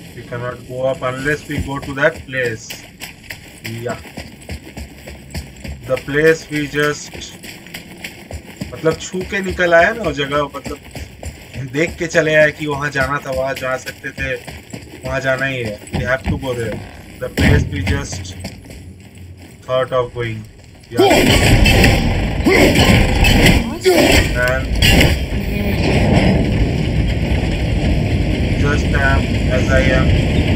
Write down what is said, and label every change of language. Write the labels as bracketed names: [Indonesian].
[English] Unless we go to that place. Yeah. The place we just [Hindi] मतलब छू के निकल आया ना वो जगह मतलब देख के चले आया कि वहाँ जाना था वहाँ जा सकते थे वहाँ जाना ही है. [English] We have to go there. The place we just thought of going. Yeah. And just as I am.